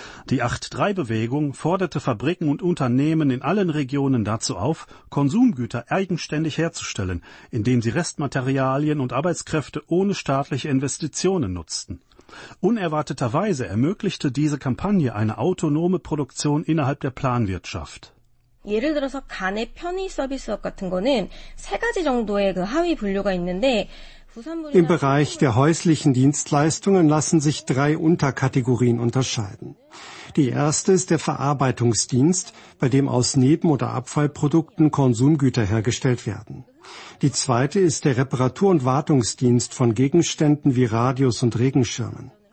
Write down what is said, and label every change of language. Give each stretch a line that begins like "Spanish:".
German: Die 8-3-Bewegung forderte Fabriken und Unternehmen in allen Regionen dazu auf, Konsumgüter eigenständig herzustellen, indem sie Restmaterialien und Arbeitskräfte ohne staatliche Investitionen nutzten. Unerwarteterweise ermöglichte diese Kampagne eine autonome Produktion innerhalb der Planwirtschaft.
Korean: 예를 들어서 간의 편의 서비스업 같은 거는 세 가지 정도의 그 하위 분류가 있는데
German: Im Bereich der häuslichen Dienstleistungen lassen sich drei Unterkategorien unterscheiden. Die erste ist der Verarbeitungsdienst, bei dem aus Neben- oder Abfallprodukten Konsumgüter hergestellt werden. Die zweite ist der Reparatur- und Wartungsdienst von Gegenständen wie Radios und Regenschirmen.